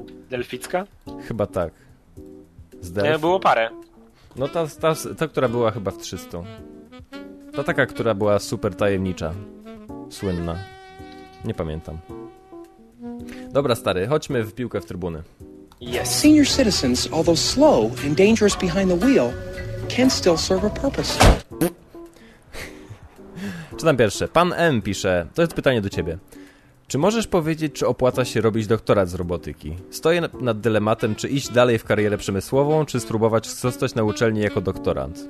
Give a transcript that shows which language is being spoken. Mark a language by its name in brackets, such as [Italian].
[Polish] Delficka? Chyba tak. Z Delf... Nie, było parę. No ta, która była chyba w 300. Ta taka, która była super tajemnicza. Słynna. Nie pamiętam. Dobra, stary, chodźmy w piłkę w trybuny. [English] Yes. Senior citizens, although slow and dangerous behind the wheel, can still serve a purpose. [Polish] Czytam pierwsze. Pan M pisze, to jest pytanie do ciebie. Czy możesz powiedzieć, czy opłaca się robić doktorat z robotyki? Stoję nad dylematem, czy iść dalej w karierę przemysłową, czy spróbować zostać na uczelni jako doktorant.